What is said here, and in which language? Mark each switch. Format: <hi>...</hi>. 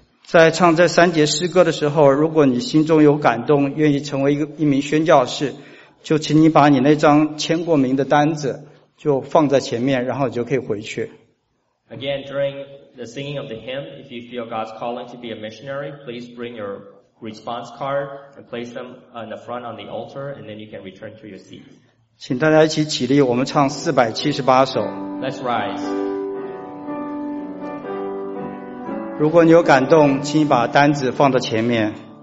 <zh>在唱这三节诗歌的时候，如果你心中有感动，愿意成为一名宣教士，就请你把你那张签过名的单子就放在前面，然后就可以回去。</zh> <en>Again, during the singing of the hymn, if you feel God's calling to be a missionary, please bring your response card and place them on the front on the altar, and then you can return to your seat.</en> <zh>请大家一起起立，我们唱478首。</zh> <en>Let's rise.</en> <zh>如果你有感动，请你把单子放到前面。</zh>